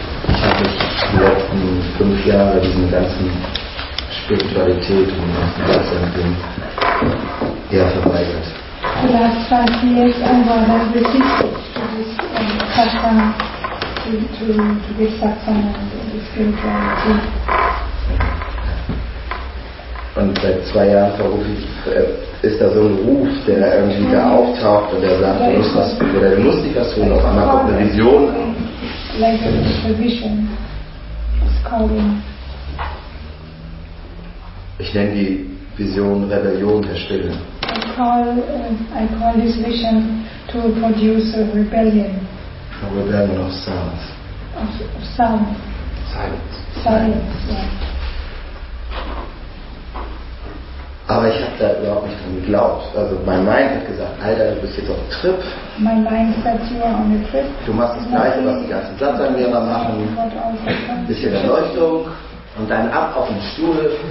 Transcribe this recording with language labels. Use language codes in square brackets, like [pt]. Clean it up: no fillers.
[de] Ich habe mich die letzten 5 Jahre diesen ganzen Spiritualität und ganzen Wahnsinn eher verweigert. [en] The last 5 years I was resisting to this satsang, to this satsang and this spirituality. [de] Und seit 2 Jahren ist da so ein Ruf, der irgendwie da auftaucht und der sagt, du musst was tun, oder du musst dich was tun, auf einmal kommt eine Vision. [en] Like a vision is calling. [de] Ich nenne die Vision Rebellion der Stille. [en] I call this vision to produce a rebellion. A rebellion of sounds. Of sound. Silence. [de] Aber ich habe da überhaupt nicht dran geglaubt. Also mein Mind hat gesagt, Alter, du bist jetzt auf Trip. [en] My mind said you are on a trip. [de] Du machst das Gleiche, was die ganzen Satsang-Lehrer machen. Ein bisschen Erleuchtung und dann ab auf den Stuhl.